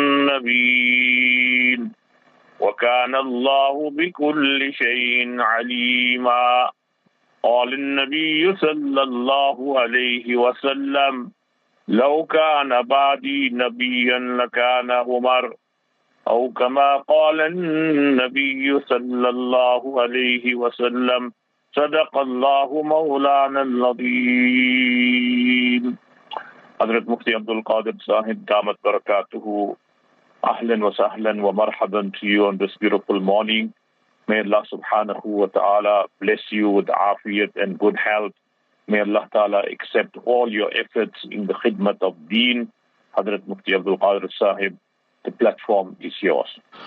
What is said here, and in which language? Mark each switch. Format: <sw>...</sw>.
<ar>النبيين وكان الله بكل شيء عليما قال النبي صلى الله عليه وسلم لو كان بعدي نبيا لكان عمر أو كما قال النبي صلى الله عليه وسلم صدق الله مولانا العظيم.</ar> <ur>حضرت مفتی عبد القادر صاحب دامت برکاتہ</ur> <ar>اہلن و سہلن و مرحبن</ar> <en>to you on this beautiful morning. May Allah subhanahu wa ta'ala bless you with afiyat and good health. May Allah ta'ala accept all your efforts in the khidmat of deen. Hazrat Mufti Abdul Qadir Sahib, the platform is yours.</en>